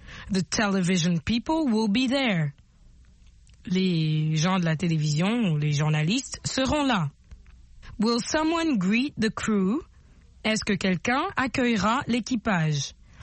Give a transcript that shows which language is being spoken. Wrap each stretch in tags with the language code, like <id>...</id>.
<en>The television people will be there.</en> <fr>Les gens de la télévision, les journalistes, seront là.</fr> <en>Will someone greet the crew?</en> <fr>Est-ce que quelqu'un accueillera l'équipage?</fr>